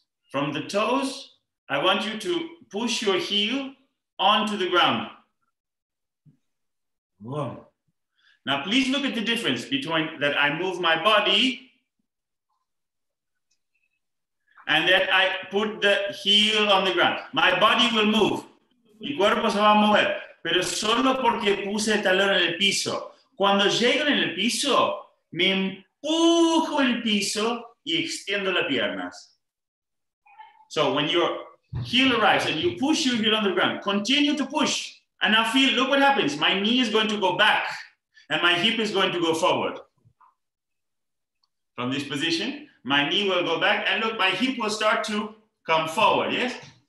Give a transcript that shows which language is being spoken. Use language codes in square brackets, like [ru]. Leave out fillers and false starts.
[en] From the toes, I want you to push your heel onto the ground. Whoa. Now please look at the difference between that I move my body and that I put the heel on the ground. My body will move. [es] Mi cuerpo se va a mover. Pero solo porque puse el talón en el piso. Cuando llego en el piso, me empujo el piso y extiendo las piernas. [en] So when you're heel arrives and you push your heel on the ground. Continue to push. And now feel, look what happens. My knee is going to go back and my hip is going to go forward. From this position, my knee will go back and look, my hip will start to come forward, yes?